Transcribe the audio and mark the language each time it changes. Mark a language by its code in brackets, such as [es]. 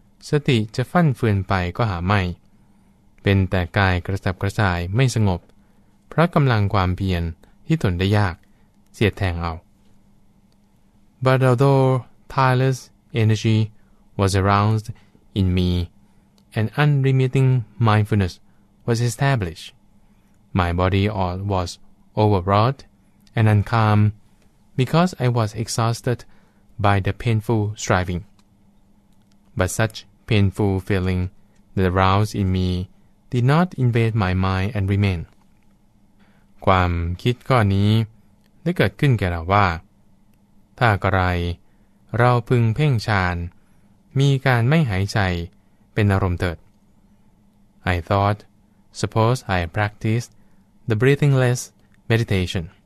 [th] สติจะฟั่นเฟือนไปก็หาไม่เป็นแต่กายกระสับกระส่ายไม่สงบเพราะกำลังความเพียรที่ทนได้ยากเสียดแทงเอา [en] But although tireless energy was aroused in me and unremitting mindfulness was established my body all was overwrought and uncalmBecause I was exhausted by the painful striving. But such painful feeling that aroused in me did not invade my mind and remain. [th] ความคิดข้อนี้ได้เกิดขึ้นแก่เราว่าถ้ากระไรเราพึงเพ่งฌานมีการไม่หายใจเป็นอารมณ์เถิด [en] I thought, suppose I practiced the breathingless meditation.